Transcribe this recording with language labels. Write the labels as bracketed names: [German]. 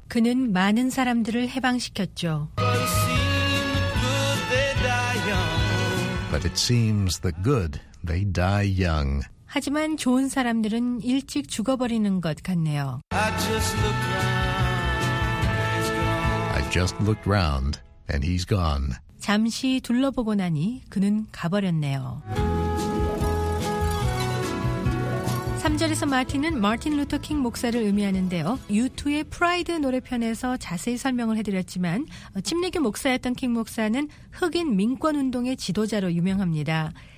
[Korean] 그는 많은 사람들을 해방시켰죠. [English] But it seems the good, they die young. [Korean] 하지만 좋은 사람들은 일찍 죽어버리는 것 같네요. [English] I just looked round, and he's gone. [Korean] 잠시 둘러보고 나니 그는 가버렸네요. 3절에서 마틴은 마틴 루터 킹 목사를 의미하는데요. U2의 프라이드 노래편에서 자세히 설명을 해드렸지만 침례교 목사였던 킹 목사는 흑인 민권운동의 지도자로 유명합니다.